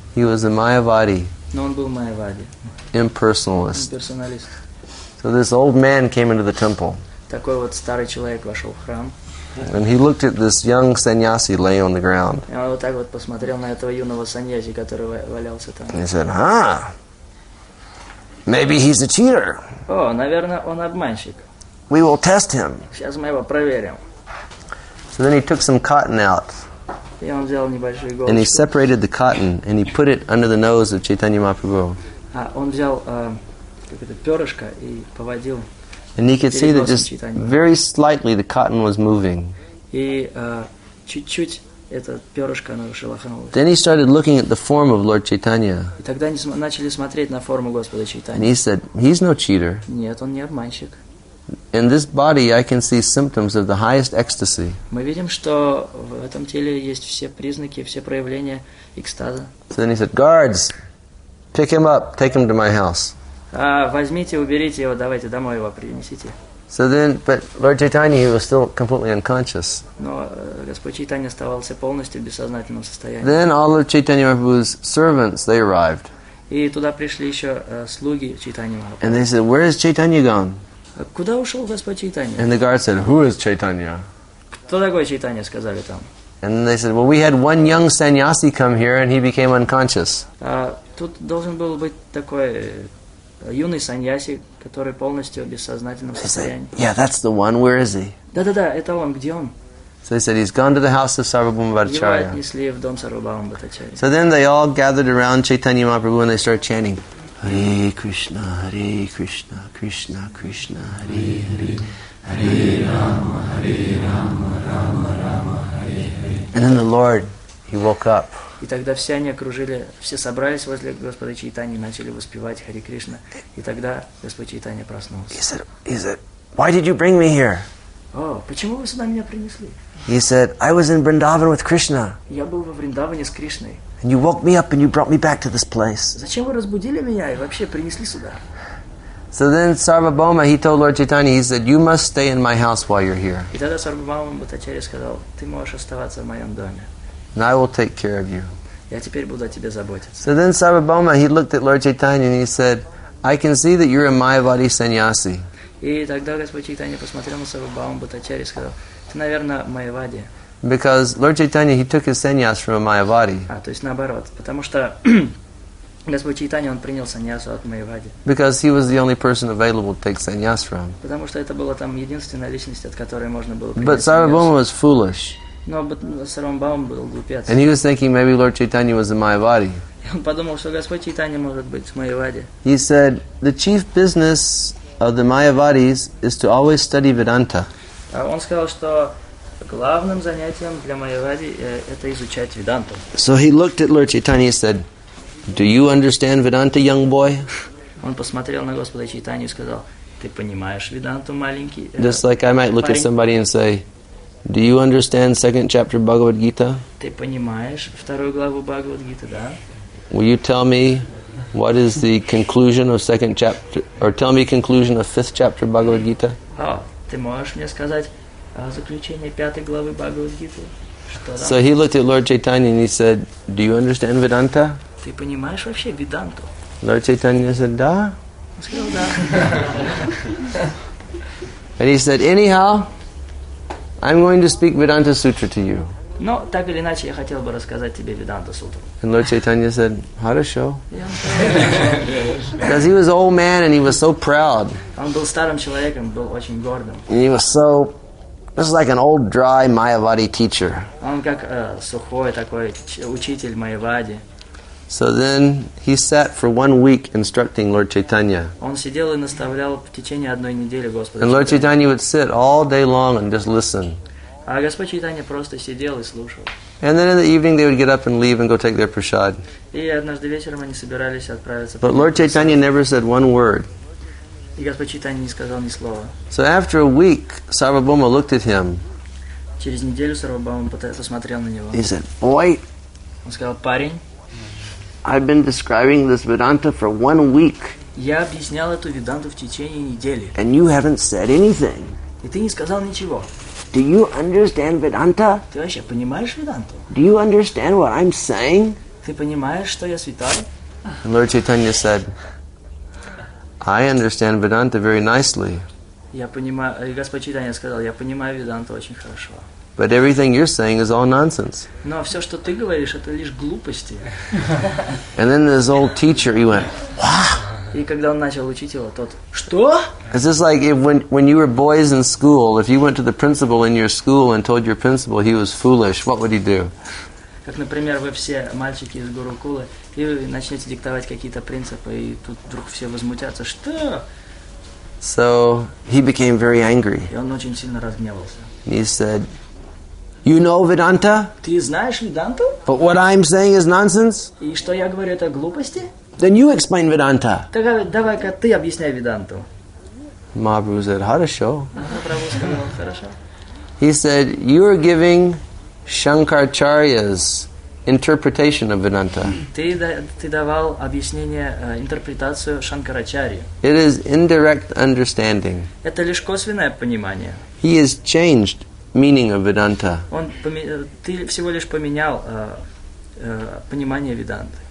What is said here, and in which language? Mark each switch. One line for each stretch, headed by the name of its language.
English: He was a Mayavadi.
Russian: Но он был Mayavadi.
English: Impersonalist.
Russian: Имперсоналист.
English: So this old man came into the temple.
Russian: Такой вот старый человек вошел в храм.
English: And he looked at this young sannyasi laying on the ground.
Russian: И он вот так вот посмотрел на этого юного саньяси, который валялся там.
English: And he said, "Huh? Maybe he's a cheater."
Russian: О, наверное, он обманщик.
English: We will test him.
Russian: Сейчас мы его проверим.
English: So then he took some cotton out.
Russian: И он взял небольшую иголочку.
English: And he separated the cotton and he put it under the nose of Chaitanya Mahaprabhu.
Russian: А он взял какое-то перышко и поводил.
English: And he could see that just very slightly the cotton was moving.
Russian: И чуть-чуть это перышко оно шелохнулось.
English: Then he started looking at the form of Lord Chaitanya.
Russian: И тогда они начали смотреть на форму Господа Чайтаньи.
English: And he said, "He's no cheater."
Russian: Нет, он не обманщик.
English: In this body, I can see symptoms of the highest ecstasy.
Russian: Мы видим, что в этом теле есть все признаки, все проявления экстаза.
English: So then he said, "Guards, pick him up, take him to my house."
Russian: Возьмите, уберите его, давайте домой его принесите.
English: So then, but Lord Chaitanya, he was still completely unconscious.
Russian: Но Господь Чайтанья оставался полностью в бессознательном состоянии.
English: Then all of Chaitanya Mahaprabhu's servants, they arrived.
Russian: И туда пришли еще слуги Чайтанья Махапрабху.
English: And they said, "Where is Chaitanya gone?"
Russian: Куда ушел Господь Чайтанья?
English: And the guard said, "Who is Chaitanya?"
Russian: Кто такой Чайтанья, сказали там.
English: And they said, "Well, we had one young sannyasi come here and he became unconscious."
Russian: Тут должен был быть такой юный саньяси, который полностью в бессознательном состоянии.
English: Said, "Yeah, that's the one. Where is he?"
Russian: Да-да-да, это он. Где он?
English: So they said, "He's gone to the house of Sarvabhuma Bhattacharya."
Russian: Его отнесли в дом Сарвабхаума Бхаттачарьи.
English: So then they all gathered around Chaitanya Mahaprabhu and they started chanting, "Hare Krishna, Hare Krishna, Krishna Krishna, Hare Hare, Hare Rama, Hare Rama, Rama Rama, Hare Hare." And then the Lord, he woke up.
Russian: И тогда все они окружили, все собрались возле Господа Чайтаньи, начали воспевать Хари Кришна. И тогда Господь Чайтанья проснулся.
English: He said, "Why did you bring me here?"
Russian: О, почему вы сюда меня принесли?
English: He said, "I was in Vrindavan with Krishna."
Russian: Я был во Вриндаване с Кришной.
English: And you woke me up and you brought me back to this place.
Russian: Зачем вы разбудили меня и вообще принесли сюда?
English: So then Sarvabhauma, he told Lord Chaitanya, he said, "You must stay in my house while you're here."
Russian: И тогда Сарвабхаума Бхаттачарья сказал, ты можешь оставаться в моем доме.
English: And I will take care of you.
Russian: Я теперь буду о тебе заботиться.
English: So then Sarvabhauma, he looked at Lord Chaitanya and he said, "I can see that you're a Mayavadi sannyasi."
Russian: И тогда Господь Чайтанья посмотрел на Сарвабхаума Бхаттачарья и сказал, ты, наверное, Майавади.
English: Because Lord Chaitanya, he took his sannyas from a Mayavadi.
Russian: То есть наоборот, потому что Господь Чайтанья, он принял саньясу от Майавади.
English: Because he was the only person available to take sannyas from.
Russian: Потому что это была там единственная личность, от которой можно было принять.
English: But Sarvabhauma was foolish.
Russian: Но Сарвабхаума был глупец.
English: And he was thinking maybe Lord Chaitanya was a Mayavadi.
Russian: Он подумал, что Господь Чайтанья может быть Майавади.
English: He said, "The chief business of the Mayavadis is to always study Vedanta."
Russian: Он сказал, что главным занятием для Майавади это изучать Веданту.
English: So he looked at Lord Chaitanya and said, "Do you understand Vedanta, young boy?"
Russian: Он посмотрел на Господа Чайтанью и сказал, ты понимаешь Веданту, маленький?
English: Just like I might look at somebody and say, "Do you understand second chapter Bhagavad Gita?"
Russian: Ты понимаешь вторую главу Бхагавад Гиты, да?
English: Will you tell me what is the conclusion of second chapter, or tell me conclusion of fifth chapter Bhagavad Gita?
Russian: Ты можешь мне сказать о заключении пятой главы Бхагавад Гиты?
English: So he looked at Lord Chaitanya and he said, "Do you understand Vedanta?"
Russian: Ты понимаешь вообще Веданту?
English: Lord Chaitanya said,
Russian: "Да." Он сказал, да.
English: And he said, "Anyhow, I'm going to speak Vedanta Sutra to you."
Russian: Но так или иначе, я хотел бы рассказать тебе Веданта Сутру.
English: And Lord Chaitanya said,
Russian: "Хорошо."
English: Because he was an old man and he was so proud.
Russian: Он был старым человеком, был очень гордым.
English: And he was so, this is like an old dry Mayavadi teacher.
Russian: Он как сухой такой учитель Mayavadi.
English: So then he sat for 1 week instructing Lord Chaitanya.
Russian: Он сидел и наставлял в течение одной недели Господа Чайтанья.
English: And Lord Chaitanya would sit all day long and just listen.
Russian: А Господь Чайтанья просто сидел и слушал.
English: And then in the evening they would get up and leave and go take their prasad.
Russian: И однажды вечером они собирались отправиться.
English: But Lord Chaitanya never said one word.
Russian: И Господь Чайтанья не сказал ни слова.
English: So after a week, Sarvabhauma looked at him.
Russian: Через неделю Сарвабхаума посмотрел на него.
English: He said, "Boy."
Russian: Он сказал, парень.
English: I've been describing this Vedanta for 1 week.
Russian: Я объяснял эту Веданту в течение недели.
English: And you haven't said anything.
Russian: И ты не сказал ничего.
English: Do you understand Vedanta?
Russian: Ты вообще понимаешь Веданту?
English: Do you understand what I'm saying?
Russian: Ты понимаешь, что я святой?
English: And Lord Chaitanya said, I understand Vedanta very nicely.
Russian: Я понимаю, Господь Чайтанья сказал, я понимаю Веданту очень хорошо.
English: But everything you're saying is all nonsense.
Russian: Но все, что ты говоришь, это лишь глупости.
English: And then this old teacher, he went, wow.
Russian: И когда он начал учить его, тот, что?
English: It's just like if when you were boys in school, if you went to the principal in your school and told your principal he was foolish, what would he do?
Russian: Как, например, вы все мальчики из Гурукулы, и вы начнете диктовать какие-то принципы, и тут вдруг все возмутятся, что?
English: So he became very angry.
Russian: И он очень сильно разгневался.
English: He said, you know Vedanta?
Russian: Ты знаешь Веданту?
English: But what I'm saying is nonsense?
Russian: И что я говорю, это глупости?
English: Then you explain Vedanta.
Russian: Так, давай-ка ты объясняй Веданту.
English: Mahaprabhu said,
Russian: хорошо. Mahaprabhu сказал, хорошо.
English: He said, you are giving Shankaracharya's interpretation of Vedanta.
Russian: Ты давал объяснение, интерпретацию Шанкарачарьи.
English: It is indirect understanding.
Russian: Это лишь косвенное понимание.
English: He has changed meaning of Vedanta.
Russian: Ты всего лишь поменял понимание Веданты.